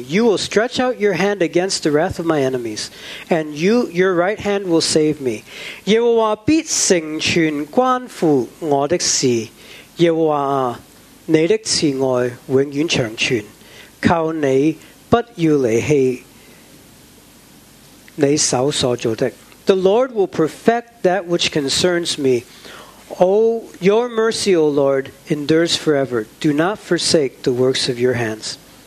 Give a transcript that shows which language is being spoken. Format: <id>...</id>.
<en>You will stretch out your hand against the wrath of my enemies, and you, your right hand will save me.</en> <zh>耶和华必成全关乎我的事。耶和华啊，你的慈爱永远长存。求你不要离弃你手所做的。</zh> <en>The Lord will perfect that which concerns me. Oh, your mercy, O Lord, endures forever. Do not forsake the works of your hands.</en>